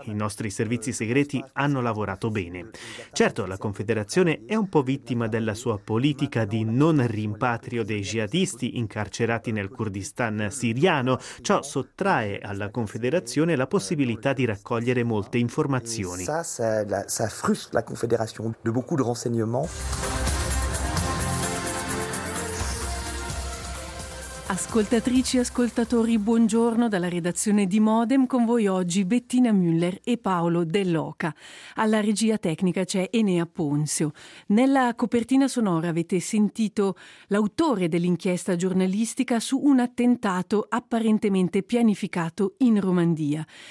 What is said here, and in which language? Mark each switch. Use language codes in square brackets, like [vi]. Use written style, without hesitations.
[it] I nostri servizi segreti hanno lavorato bene. Certo, la Confederazione è un po' vittima della sua politica di non rimpatrio dei jihadisti incarcerati nel Kurdistan siriano. Ciò sottrae alla Confederazione la possibilità di raccogliere molte informazioni. [fr] Ça frustre la Confédération de beaucoup de renseignements. [it] Ascoltatrici e ascoltatori, buongiorno dalla redazione di Modem, con voi oggi Bettina Müller e Paolo Dell'Oca. Alla regia tecnica c'è Enea Ponzio. Nella copertina sonora avete sentito l'autore dell'inchiesta giornalistica su un attentato apparentemente pianificato in Romandia.